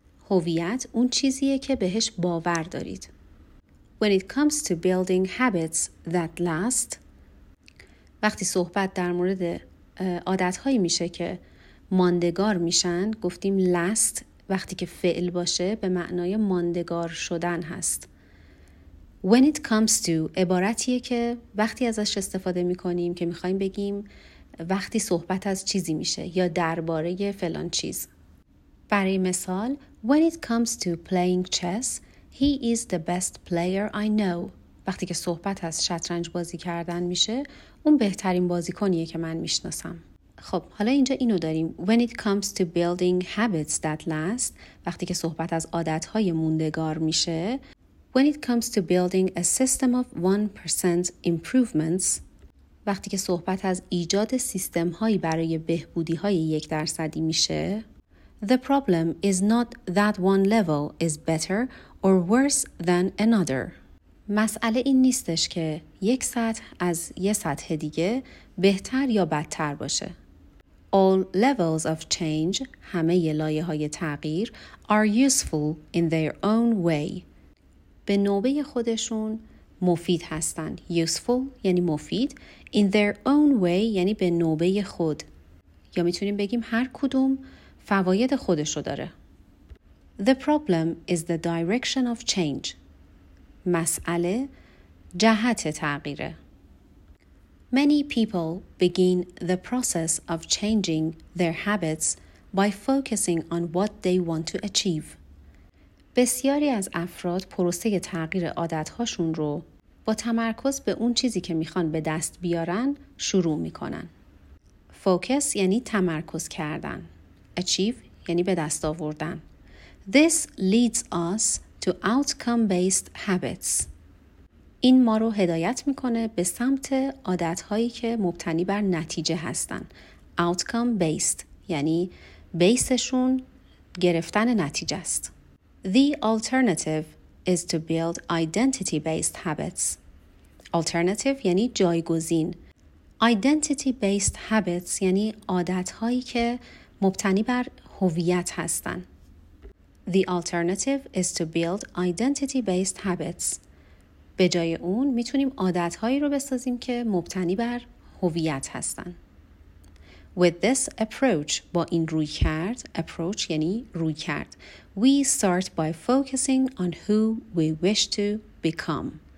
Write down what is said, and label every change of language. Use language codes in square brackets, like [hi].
[fa] هویت اون چیزیه که بهش باور دارید. [en] When it comes to building habits that last [fa] وقتی صحبت در مورد عادتهایی میشه که ماندگار میشن گفتیم [en] last [fa] وقتی که فعل باشه به معنای ماندگار شدن هست. [en] When it comes to [fa] عبارتیه که وقتی ازش استفاده میکنیم که میخواییم بگیم وقتی صحبت از چیزی میشه یا درباره فلان چیز. برای مثال [en] When it comes to playing chess he is the best player I know. [fa] وقتی که صحبت از شطرنج بازی کردن میشه اون بهترین بازیکنیه که من میشناسم. خب حالا اینجا اینو داریم. [en] When it comes to building habits that last، [fa] وقتی که صحبت از عادت‌های موندگار میشه. [en] When it comes to building a system of 1% improvements، [fa] وقتی که صحبت از ایجاد سیستم‌هایی برای بهبودی‌های 1% میشه. [en] The problem is not that one level is better or worse than another. [fa] مسئله این نیستش که یک سطح از یه سطح دیگه بهتر یا بدتر باشه. [en] All levels of change، [fa] همه ی لایه‌های تغییر، [en] are useful in their own way. [fa] به نوبه خودشون مفید هستن. Useful یعنی مفید. [en] In their own way [fa] یعنی به نوبه خود. یا میتونیم بگیم هر کدوم فواید خودشو داره. [en] The problem is the direction of change. [fa] مسئله جهت تغییره. [en] Many people begin the process of changing their habits by focusing on what they want to achieve. [fa] بسیاری از افراد پروسه تغییر عادت‌هاشون رو با تمرکز به اون چیزی که میخوان به دست بیارن شروع میکنن. Focus یعنی تمرکز کردن. Achieve یعنی به دست آوردن. [en] This leads us to outcome-based habits. [fa] این ما رو هدایت میکنه به سمت عادتهایی که مبتنی بر نتیجه هستن. Outcome-based یعنی بیسشون گرفتن نتیجه است. [en] The alternative is to build identity-based habits. [fa] Alternative یعنی جایگزین. [en] Identity-based habits [fa] یعنی عادتهایی که مبتنی بر هویت هستن. [en] The alternative is to build identity-based habits. [fa] به جای اون میتونیم عادتهایی رو بسازیم که مبتنی بر هویت هستن. [en] With this approach، [fa] با این روی کرد، [en] approach [fa] یعنی روی کرد، [en] we start by focusing on who we wish to become.